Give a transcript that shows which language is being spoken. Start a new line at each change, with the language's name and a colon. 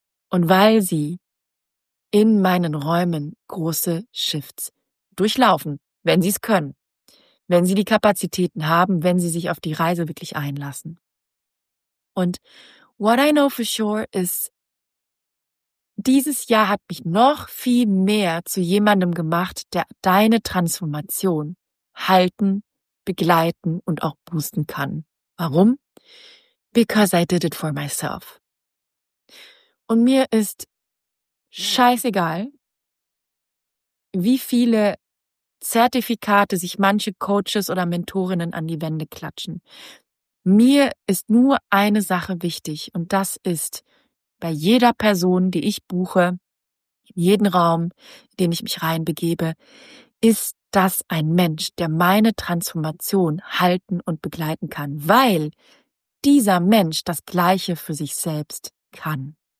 German: Und weil sie in meinen Räumen große Shifts durchlaufen, wenn sie es können, wenn sie die Kapazitäten haben, wenn sie sich auf die Reise wirklich einlassen. Und
English: what I know for sure
German: ist, dieses Jahr hat mich noch viel mehr zu jemandem gemacht, der deine Transformation halten, begleiten und auch boosten kann. Warum?
English: Because I did it for myself.
German: Und mir ist scheißegal, wie viele Zertifikate sich manche Coaches oder Mentorinnen an die Wände klatschen. Mir ist nur eine Sache wichtig und das ist, bei jeder Person, die ich buche, in jeden Raum, in den ich mich reinbegebe, ist das ein Mensch, der meine Transformation halten und begleiten kann, weil dieser Mensch das Gleiche für sich selbst kann.